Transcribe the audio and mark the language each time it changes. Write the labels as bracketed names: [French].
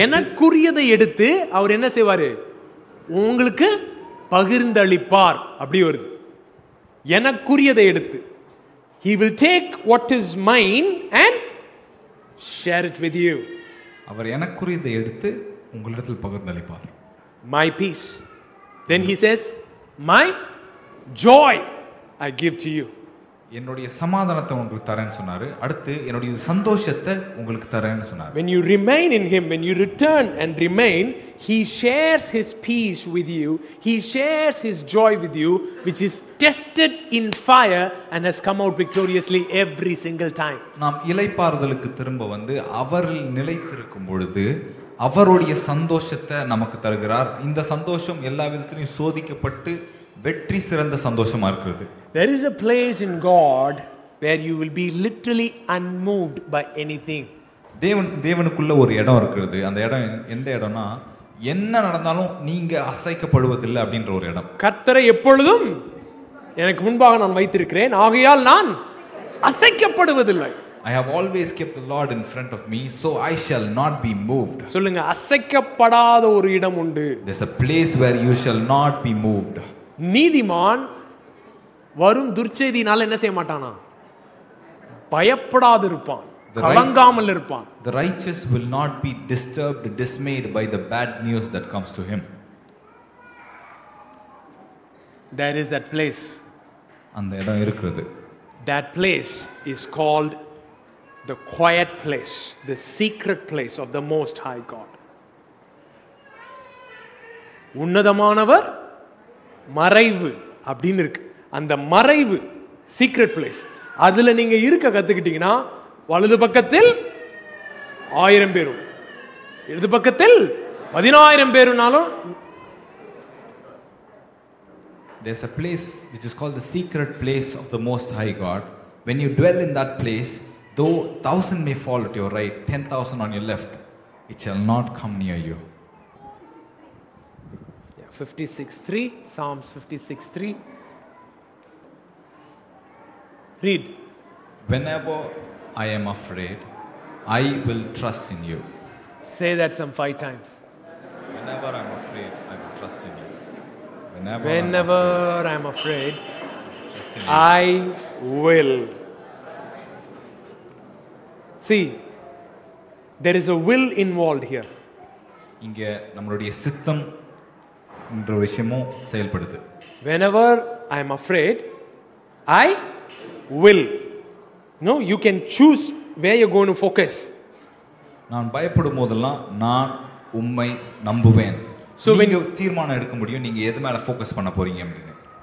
[Tamil] எனக்குரியதை எடுத்து அவர் என்ன செய்வாரு, உங்களுக்கு பகிர்ந்தளிப்பார். அப்படி வருது, எனக்குரியதை எடுத்து, [English] he will take what is mine and share it with you. [Tamil] அவர் எனக்குரியதை எடுத்து உங்களிடத்தில் பகிர்ந்தளிப்பார். [English] My peace. Then he says, my joy I give to you. [Tamil] என்னுடைய சமாதானத்தை உங்களுக்கு தரேன்னு சொன்னாரு. அடுத்து என்னுடைய சந்தோஷத்தை உங்களுக்கு தரேன்னு சொன்னாரு. [English] When you remain in him, when you return and remain, he shares his peace with you, he shares his joy with you, which is tested in fire and has come out victoriously every single time. [Tamil] நாம் இளைப்பாறுதலுக்கு திரும்ப வந்து அவரில் நிலைத்திருக்கும் பொழுது அவருடைய சந்தோஷத்தை நமக்கு தருகிறார். இந்த சந்தோஷம் எல்லா விதத்திலையும் சோதிக்கப்பட்டு வெற்றி சிறந்த சந்தோஷமா இருக்கிறது. [English] There is a place in God where you will be literally unmoved by anything. [Tamil] தேவனுக்குள்ள ஒரு இடம் இருக்குது. அந்த இடம் எந்த இடம்னா என்ன நடந்தாலும் நீங்க அசைக்கப்படுவதில்லை அப்படிங்கற ஒரு இடம். கர்த்தரை எப்பொழுதும் எனக்கு முன்பாக நான் வைத்திருக்கிறேன். ஆகையால் நான் அசைக்கப்படுவதில்லை. [English] I have always kept the Lord in front of me, so I shall not be moved. [Tamil] சொல்லுங்க, அசைக்கப்படாத ஒரு இடம் உண்டு. [English] There's a place where you shall not be moved. [Tamil] நீதிமான் வரும் துர்ச்செய்தியினால என்ன செய்ய மாட்டானா? பயப்படாது இருப்பான், கலங்காமல் இருப்பான். [English] The righteous will not be disturbed, dismayed by the bad news that comes to him. There is that place. [Tamil] அந்த இடம் இருக்குது. [English] That place is called the quiet place, the secret place of the Most High God. [Tamil] உன்னதமானவர் மறைவு அப்படின்னு இருக்கு. அந்த மறைவு secret place, அதுல நீங்க இருக்க கத்துக்கிட்டீங்கன்னா வலது பக்கத்தில் 1000 பேரும், இடது பக்கத்தில் 10,000 பேரும்னாலும் [English] there's a place which is called the secret place of the Most High God. When you dwell in that place, though 1,000 may fall at your right, 10,000 on your left, it shall not come near you. 56:3, Psalms 56:3. Read. Whenever I am afraid, I will trust in you. Say that some 5 times. Whenever I am afraid, I will trust in you. Whenever I am afraid, I will. See, there is a will involved here. [Tamil] இங்க நம்மளுடைய சித்தம் என்ற விஷயமும் செயல்படுது. [English] Whenever I am afraid, I will. No, you can choose where you're going to focus. [Tamil] நான் பயப்படும் போதெல்லாம் நான் உம்மை நம்புவேன். [English] So when you [Tamil] தீர்மானம் எடுக்க முடியும் நீங்க எது மேல ஃபோக்கஸ் பண்ண போறீங்க அப்படினு.